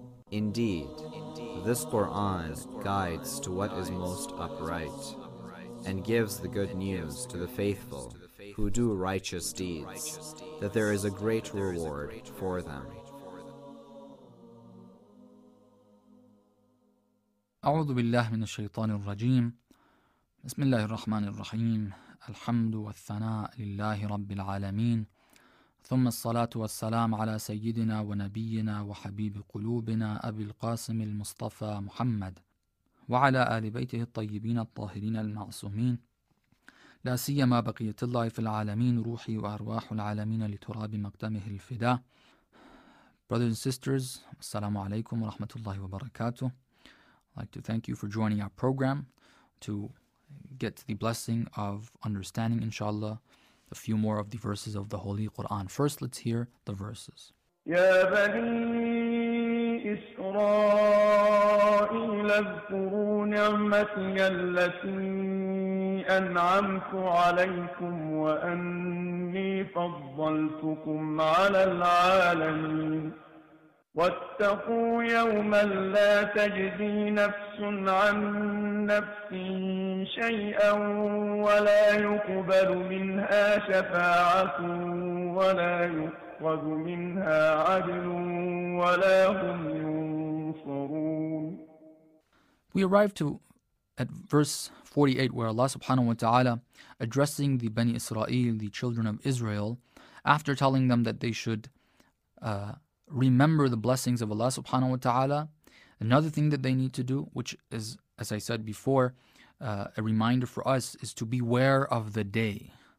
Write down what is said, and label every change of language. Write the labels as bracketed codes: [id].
[en] Indeed, this Quran guides to what is most upright and gives the good news to the faithful who do righteous deeds, that there is a great reward for them. [ar] أعوذ بالله من الشيطان الرجيم بسم الله الرحمن الرحيم الحمد والثناء لله رب العالمين ثم الصلاة والسلام على سيدنا ونبينا وحبيب قلوبنا أبي القاسم المصطفى محمد وعلى آل بيته الطيبين الطاهرين المعصومين لا سيما بقية الله في العالمين روحي وأرواح العالمين لتراب مقدمه الفداء. [en] Brothers and sisters, [ar] السلام عليكم ورحمة الله وبركاته. [en] I'd like to thank you for joining our program to get the blessing of understanding, inshallah, a few more of the verses of the Holy Quran. First, let's hear the verses. [ar] Ya Bani Israel, اذكروا نعمتي التي أنعمت عليكم وأني فضلتكم على العالمين. واتقوا يوما لا تجزي نفس عن نفس شيئا ولا يقبل منها شفاعة ولا يؤخذ منها عدل ولا هم ينصرون. [en] We arrive to at verse 48, where Allah subhanahu wa ta'ala, addressing the Bani Israel, the children of Israel, after telling them that they should remember the blessings of Allah subhanahu wa ta'ala. Another thing that they need to do, which is, as I said before, a reminder for us, is to beware of the day.